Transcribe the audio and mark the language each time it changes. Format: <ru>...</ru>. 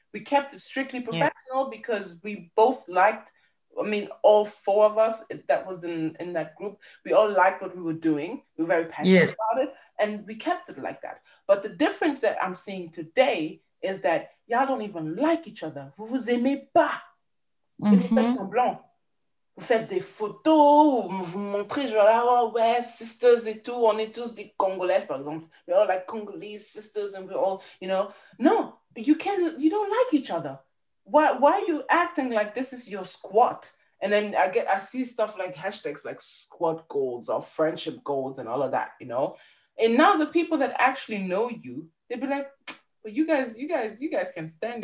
<en>We kept it strictly professional because we both liked, I mean, all four of us that was in that group, we all liked what we were doing. We were very passionate about it. And we kept it like that. But the difference that I'm seeing today is that y'all don't even like each other.</en> <fr>Vous vous aimez pas. Mm-hmm. Vous faites des photos, vous montrez, genre, oh, ouais, sisters et tout, on est tous des Congolaises, par exemple.</fr> <en>We're all like Congolese sisters and we're all, you know. No, you don't like each other. Why are you acting like this is your squad? And then I see stuff like hashtags, like squad goals or friendship goals and all of that, you know. And now the people that actually know you, they'd be like, but you guys can stand</en>